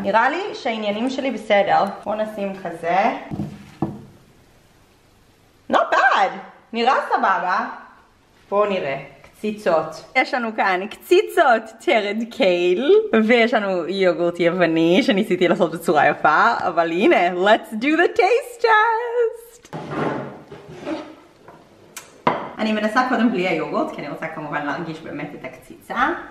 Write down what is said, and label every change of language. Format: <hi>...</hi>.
<he>נראה לי שהעניינים שלי בסדר. בואו נשים כזה.</he> <en>Not bad!</en> <he>נראה סבבה. בואו נראה. קציצות. יש לנו כאן קציצות טרד קייל. ויש לנו יוגורט יווני שניסיתי לעשות בצורה יפה. אבל הנה,</he> <en>let's do the taste test!</en> <he>אני מנסה קודם בלי היוגורט, כי אני רוצה כמובן להרגיש באמת את הקציצה.</he>